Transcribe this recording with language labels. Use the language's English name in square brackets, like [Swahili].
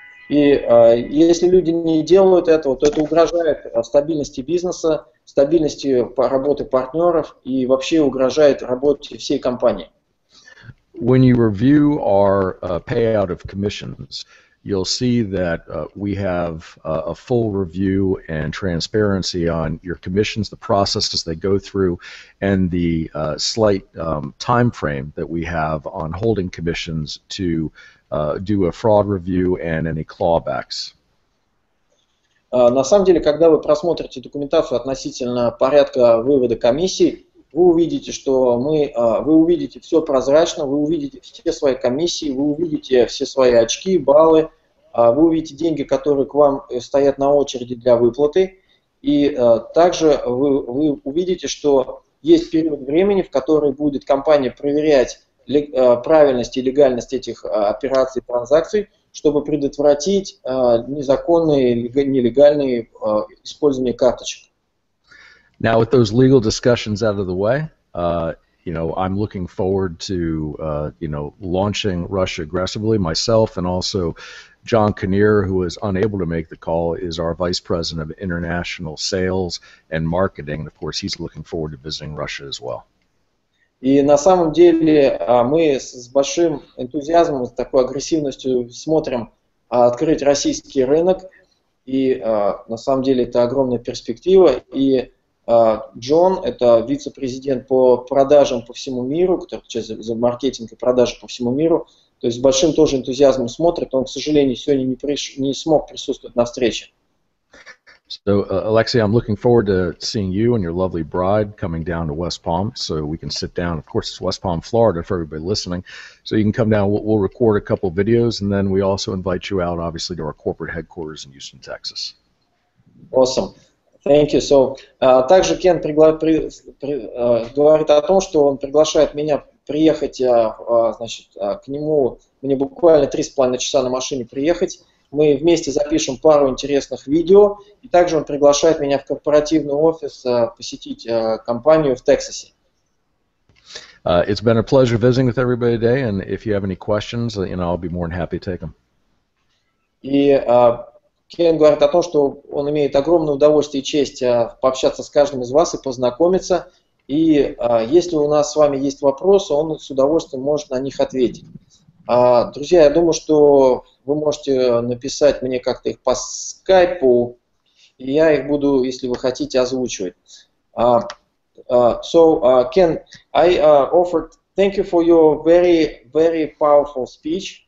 [Russian] И если люди не делают этого, то это угрожает стабильности бизнеса, стабильности работы партнеров и вообще угрожает работе всей компании. [English] When you review our payout of commissions, you'll see that we have a full review and transparency on your commissions, the processes they go through, and the slight time frame that we have on holding commissions to do a fraud review and any clawbacks. [Russian] На самом деле, когда вы просмотрите документацию относительно порядка вывода комиссий, вы увидите, что мы, вы увидите все прозрачно, вы увидите все свои комиссии, вы увидите все свои очки, баллы, вы увидите деньги, которые к вам стоят на очереди для выплаты, и также вы увидите, что есть период времени, в который будет компания проверять правильность и легальность этих операций, транзакций, чтобы предотвратить незаконные, нелегальные использование карточек. [English] Now with those legal discussions out of the way, you know, I'm looking forward to, you know, launching Russia aggressively myself, and also John Kinnear, who is unable to make the call, is our vice president of international sales and marketing. Of course, he's looking forward to visiting Russia as well. [Russian] И на самом деле мы с большим энтузиазмом, с такой агрессивностью смотрим открыть российский рынок, и на самом деле это огромная перспектива. И Джон, это вице-президент по продажам по всему миру, который сейчас за маркетинг и продажи по всему миру, то есть с большим тоже энтузиазмом смотрит. Он, к сожалению, сегодня не смог присутствовать на встрече. [English] So, Alexei, I'm looking forward to seeing you and your lovely bride coming down to West Palm so we can sit down. Of course, it's West Palm, Florida, for everybody listening. So you can come down. We'll record a couple videos, and then we also invite you out, obviously, to our corporate headquarters in Houston, Texas. Awesome. [Russian] Thank you. So, также Кен говорит о том, что он приглашает меня приехать, значит, к нему. Мне буквально 3,5 часа на машине приехать. Мы вместе запишем пару интересных видео, и также он приглашает меня в корпоративный офис посетить компанию в Техасе. [English] It's been a pleasure visiting with everybody today, and if you have any questions, you know, I'll be more than happy to take them. [Russian] И Кен говорит о том, что он имеет огромное удовольствие и честь пообщаться с каждым из вас и познакомиться, и если у нас с вами есть вопросы, он с удовольствием может на них ответить. Друзья, я думаю, что вы можете написать мне как-то их по скайпу, и я их буду, если вы хотите, озвучивать. [English] Ken, I offered, thank you for your very, very powerful speech.